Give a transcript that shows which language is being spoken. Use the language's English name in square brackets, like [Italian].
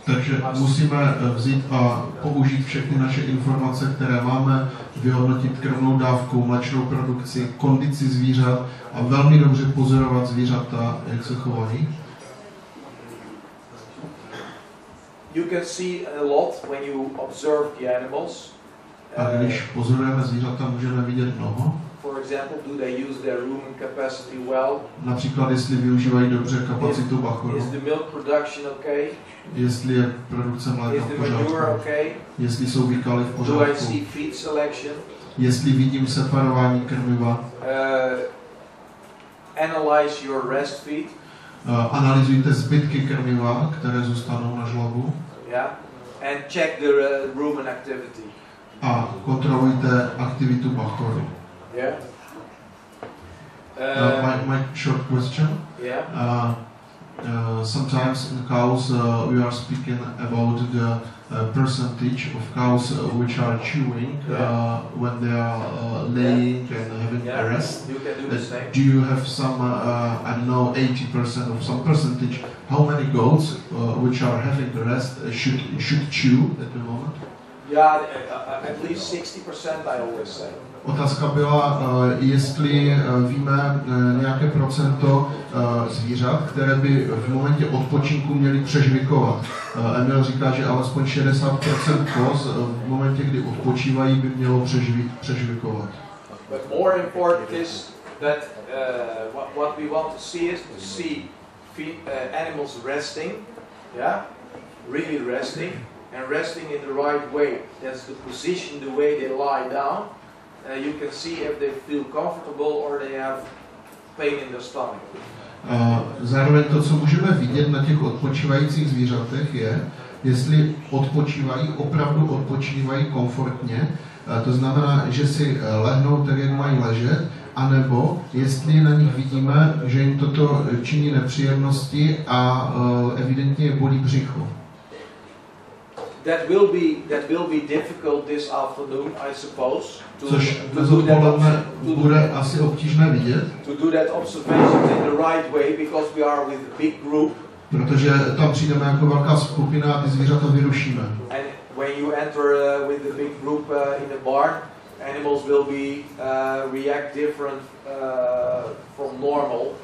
[Czech] Takže musíme vzít a použít všechny naše informace, které máme, vyhodnotit krvnou dávku, mléčnou produkci, kondici zvířat a velmi dobře pozorovat zvířata, jak se chovají. [English] You can see a lot when you observe the animals. [Czech] A když pozorujeme zvířata, můžeme vidět mnoho. [English] For example, do they use their rumen capacity well? [Czech] Například, jestli využívají dobře kapacitu bachoru. [English] Is the milk production okay? [Czech] Jestli je produkce mléka v pořádku. [English] Okay? [Czech] Jestli jsou vykaly v pořádku. [English] Do I see feed selection? [Czech] Jestli vidím separování krmiva. [English] Analyze your rest feed. [Czech] Analyzujte zbytky krmiva, které zůstanou na žlabu. [English] Yeah. And check the rumen activity. [Czech] A kontrolujte aktivitu bachoru. [English] Yeah. My short question. Yeah. Sometimes in cows we are speaking about the percentage of cows which are chewing when they are laying and having a rest. You can do the same. Do you have some? I don't know, 80% of some percentage. How many goats which are having a rest should chew at the moment? Yeah, at least 60%, I always say. [Czech] Otázka byla, jestli víme nějaké procento zvířat, které by v momentě odpočinku měly přežvikovat. Emil říká, že alespoň 60% koz v momentě, kdy odpočívají, by mělo přežvikovat. [English] But more important is that what we want to see is to see animals resting, yeah, really resting, and resting in the right way. That's the position, the way they lie down. You can see if they feel comfortable or they have pain in their stomach. [Czech] Zároveň to, co můžeme vidět na těch odpočívajících zvířatech, je, jestli odpočívají, opravdu odpočívají komfortně, to znamená, že si lehnou tak, jak mají ležet, anebo jestli na nich vidíme, že jim toto činí nepříjemnosti a evidentně je bolí břicho. [English] That will be difficult this afternoon, I suppose. To do that observation in the right way, because we are with a big group. [Czech] Protože tam přijdeme jako velká skupina a ty zvířata vyrušíme. [English] And when you enter with a big group in the barn, animals will be react different from normal.